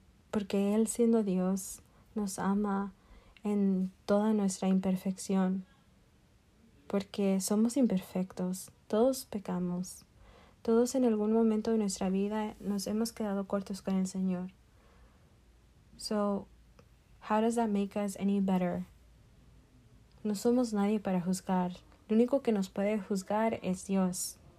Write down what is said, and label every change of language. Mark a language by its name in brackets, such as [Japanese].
[Spanish] Porque Él, siendo Dios, nos ama en toda nuestra imperfección. Porque somos imperfectos, todos pecamos. Todos en algún momento de nuestra vida nos hemos quedado cortos con el Señor. [English] So, how does that make us any better? [Spanish] No somos nadie para juzgar. Lo único que nos puede juzgar es Dios.